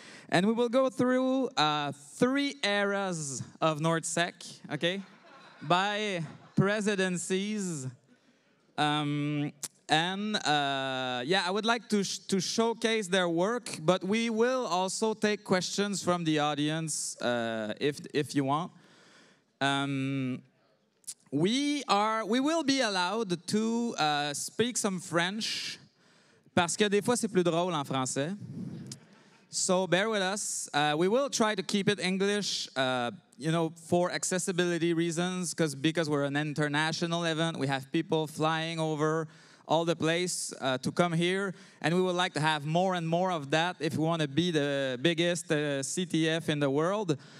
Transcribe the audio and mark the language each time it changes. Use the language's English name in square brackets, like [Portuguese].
[English] And we will go through three eras of NorthSec, okay? By presidencies. I would like to showcase their work, but we will also take questions from the audience if you want. We will be allowed to speak some French, [French] parce que des fois c'est plus drôle en français. [English] So bear with us. We will try to keep it English, for accessibility reasons, because we're an international event. We have people flying over all the place to come here, and we would like to have more and more of that if we want to be the biggest CTF in the world.